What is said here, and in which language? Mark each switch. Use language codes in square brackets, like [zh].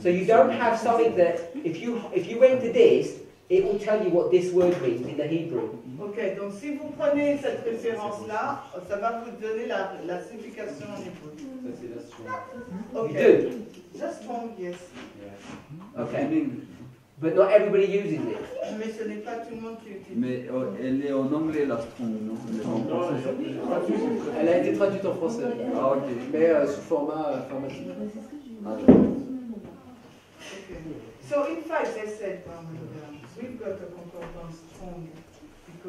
[en] So you don't have something that if you went to this, it will tell you what this word means in the Hebrew. Okay. [fr] Donc si vous prenez cette référence là, ça va vous donner la signification en hébreu. Ça c'est la Strong. [en] Okay. Just Strong, yes. Yeah. Okay. But not everybody uses it. [fr] Mais ce n'est pas tout le monde qui utilise. Mais elle est en anglais la Strong, non? Elle a été traduite en français. Ah ok. Mais sous format informatique. [en] Okay. So in fact, they said, we've got a concordance Strong because